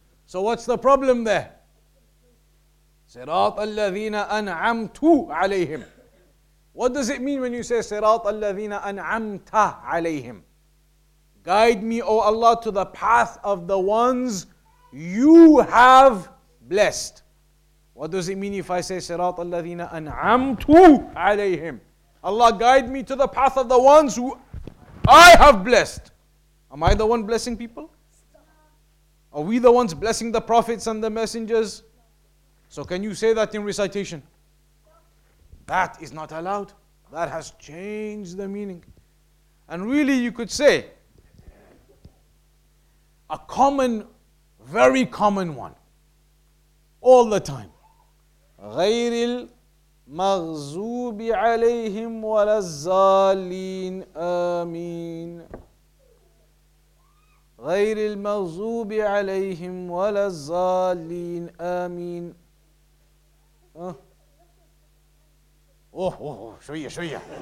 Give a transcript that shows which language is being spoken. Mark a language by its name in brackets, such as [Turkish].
[English] So what's the problem there? [Arabic] صراط الذين أنعمت عليهم. [English] What does it mean when you say [Arabic] صراط الذين أنعمت عليهم? [English] Guide me, O Allah, to the path of the ones you have blessed. What does it mean if I say [Arabic] صراط الذين أنعمت عليهم? [English] Allah, guide me to the path of the ones who I have blessed. Am I the one blessing people? Are we the ones blessing the prophets and the messengers? So can you say that in recitation? That is not allowed. That has changed the meaning. And really, you could say a common, very common one, all the time. [Arabic] غير المغزوب عليهم ولا الزالين آمين غير المغزوب عليهم ولا الزالين آمين أوه أوه شوية شوية